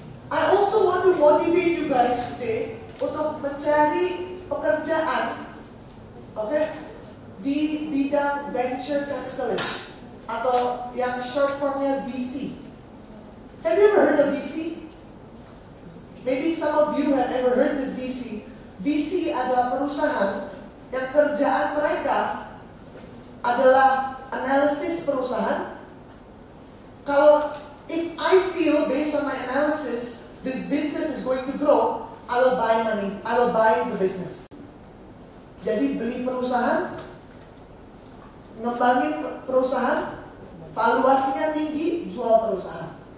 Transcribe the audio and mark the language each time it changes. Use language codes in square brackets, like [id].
[en] I also want to motivate you guys today [id] untuk mencari pekerjaan, okay, di bidang venture capitalist atau yang short formnya VC. [en] Have you ever heard of VC? Maybe some of you have ever heard this VC. [id] VC adalah perusahaan yang kerjaan mereka adalah analisis perusahaan. Kalau [en] if I feel based on my analysis this business is going to grow, I will buy the business. [id] Jadi beli perusahaan, ngembangin perusahaan, valuasinya tinggi, jual perusahaan.